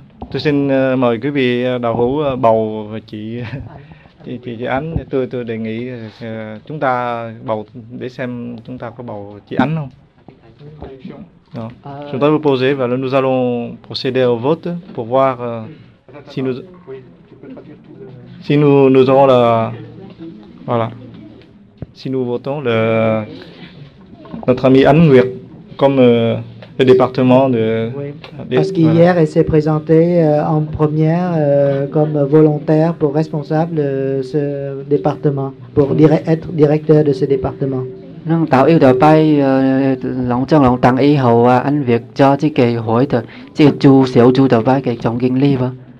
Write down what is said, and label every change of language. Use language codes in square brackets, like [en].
[vi] Tôi xin mời quý vị đạo hữu bầu chị Ánh. Tôi đề nghị chúng ta bầu để xem chúng ta có bầu chị Ánh không. [fr] Je voudrais vous poser, voilà, nous allons procéder au vote pour voir si nous aurons la voilà. Si nous votons notre amie Anne Nguyệt comme le département de oui. Parce qu'hier voilà. Elle s'est présentée en première comme volontaire pour responsable de ce département, pour être directeur de ce département. Nên tạo yêu đời bay lòng trong lòng tặng y hậu anh việc cho chứ kỳ hỏi thật chứ chú xíu chú đời bay kỳ trọng kinh ly vâng.